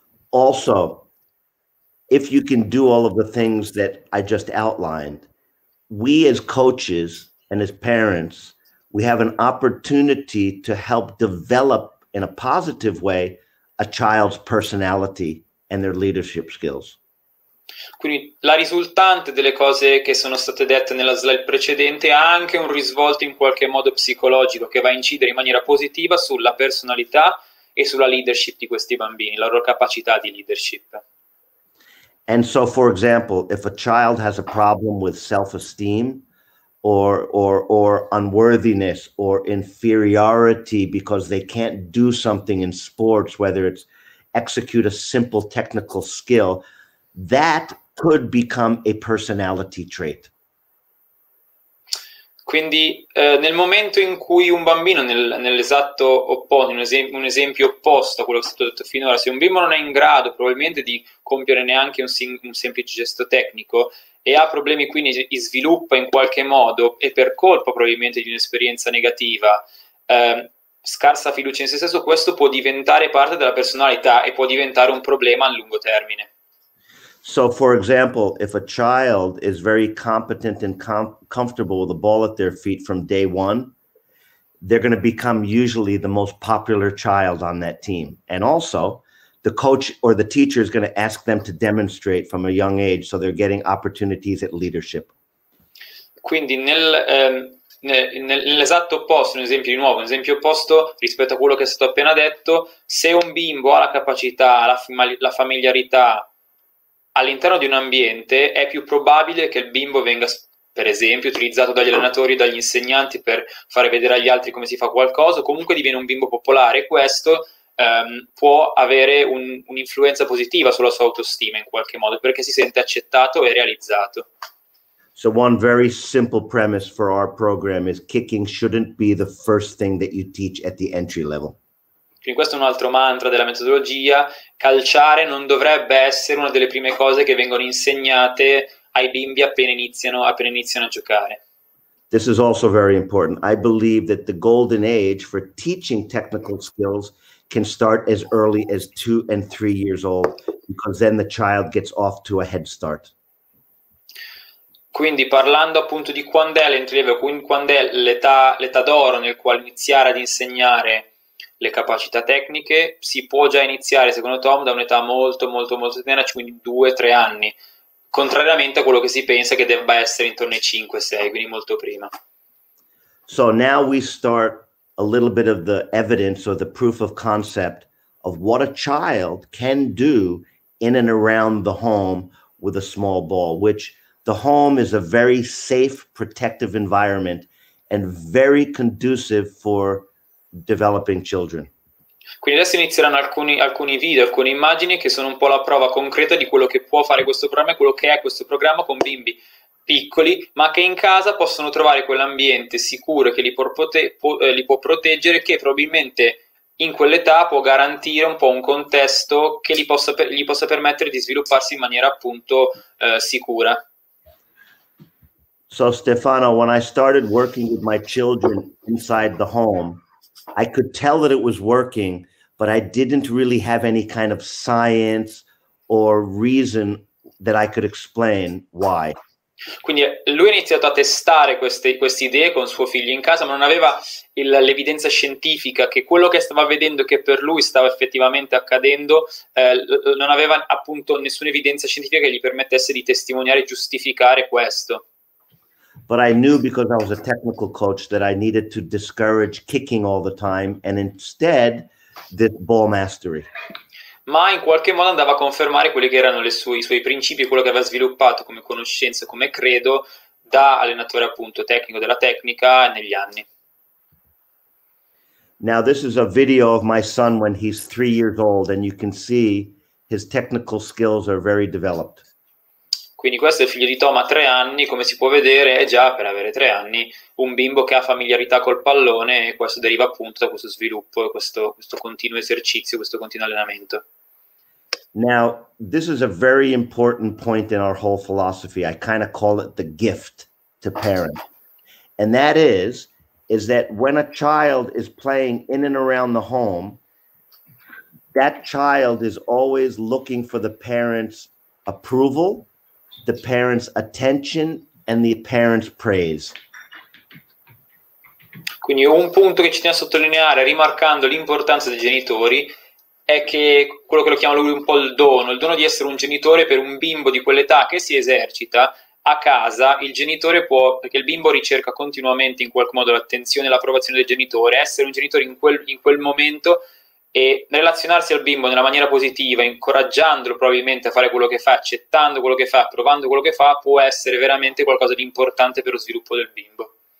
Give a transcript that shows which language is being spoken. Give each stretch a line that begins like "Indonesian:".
English: Also, if you can do all of the things that I just outlined, we as coaches and as parents, we have an opportunity to help develop in a positive way a child's personality and their leadership skills.
Italian: Quindi la risultante delle cose che sono state dette nella slide precedente ha anche un risvolto in qualche modo psicologico che va a incidere in maniera positiva sulla personalità e sulla leadership di questi bambini, la loro capacità di leadership.
English: And so, for example, if a child has a problem with self-esteem or unworthiness or inferiority because they can't do something in sports, whether it's execute a simple technical skill, that could become a personality trait.
Italian: Quindi nel momento in cui un bambino nell'esatto opposto, un esempio opposto a quello che è stato detto finora, se un bimbo non è in grado probabilmente di compiere neanche un semplice gesto tecnico e ha problemi, quindi sviluppa in qualche modo, e per colpa probabilmente di un'esperienza negativa, scarsa fiducia in se stesso, questo può diventare parte della personalità e può diventare un problema a lungo termine.
English: So, for example, if a child is very competent and comfortable with the ball at their feet from day one, they're going to become usually the most popular child on that team. And also, the coach or the teacher is going to ask them to demonstrate from a young age, so they're getting opportunities at leadership.
Italian: Quindi nell'esatto opposto, un esempio opposto rispetto a quello che è stato appena detto, se un bimbo ha la capacità, la familiarità all'interno di un ambiente, è più probabile che il bimbo venga, per esempio, utilizzato dagli allenatori, dagli insegnanti per fare vedere agli altri come si fa qualcosa, comunque diviene un bimbo popolare. Questo può avere un'influenza positiva sulla sua autostima in qualche modo, perché si sente accettato e realizzato.
English: So one very simple premise for our program is kicking shouldn't be the first thing that you teach at the entry level.
Italian: Quindi questo è un altro mantra della metodologia, calciare non dovrebbe essere una delle prime cose che vengono insegnate ai bimbi appena iniziano a giocare.
English: This is also very important. I believe that the golden age for teaching technical skills can start as early as 2 and 3 years old, because then the child gets off to a head start.
Italian: Quindi parlando appunto di quando è l'
English: entry level,
Italian: quando è l'età d'oro nel quale iniziare ad insegnare le capacità tecniche, si può già iniziare, secondo Tom, da un'età molto molto molto tenera, quindi 2-3 anni, contrariamente a quello che si pensa che debba essere intorno ai 5-6, quindi molto prima.
English: So now we start a little bit of the evidence or the proof of concept of what a child can do in and around the home with a small ball, which the home is a very safe, protective environment and very conducive for developing children.
Italian: Quindi adesso inizieranno alcuni video, alcune immagini che sono un po' la prova concreta di quello che può fare questo programma e quello che è questo programma con bimbi piccoli, ma che in casa possono trovare quell'ambiente sicuro che li può proteggere, che probabilmente in quell'età può garantire un po' un contesto che gli possa permettere di svilupparsi in maniera appunto sicura.
English: So Stefano, when I started working with my children inside the home, I could tell that it was working, but I didn't really have any kind of science or reason that I could explain why.
Italian: Quindi lui ha iniziato a testare queste idee con suo figlio in casa, ma non aveva l'evidenza scientifica che quello che stava vedendo, che per lui stava effettivamente accadendo, non aveva appunto nessuna evidenza scientifica che gli permettesse di testimoniare e giustificare questo.
English: But I knew, because I was a technical coach, that I needed to discourage kicking all the time and instead this ball mastery.
Italian: Ma in qualche modo andava a confermare quelli che erano i suoi principi, quello che aveva sviluppato come conoscenza, come credo, da allenatore appunto tecnico della tecnica negli anni.
English: Now this is a video of my son when he's 3 years old, and you can see his technical skills are very developed.
Italian: Quindi questo è il figlio di Tom a 3 anni, come si può vedere è già, per avere 3 anni, un bimbo che ha familiarità col pallone, e questo deriva appunto da questo sviluppo, questo continuo esercizio, questo continuo allenamento.
English: Now, this is a very important point in our whole philosophy. I kind of call it the gift to parents. And that is that when a child is playing in and around the home, that child is always looking for the parents' approval, the parents' attention, and the parents' praise.
Italian: Quindi un punto che ci tiene a sottolineare, rimarcando l'importanza dei genitori, è che quello che lo chiama lui un po' il dono di essere un genitore per un bimbo di quell'età che si esercita a casa. Il genitore può, perché il bimbo ricerca continuamente in qualche modo l'attenzione e l'approvazione del genitore, essere un genitore in quel momento e relazionarsi al bimbo nella maniera positiva, incoraggiandolo probabilmente a fare quello che fa, accettando quello che fa, provando quello che fa, può essere veramente qualcosa di importante per lo sviluppo del bimbo.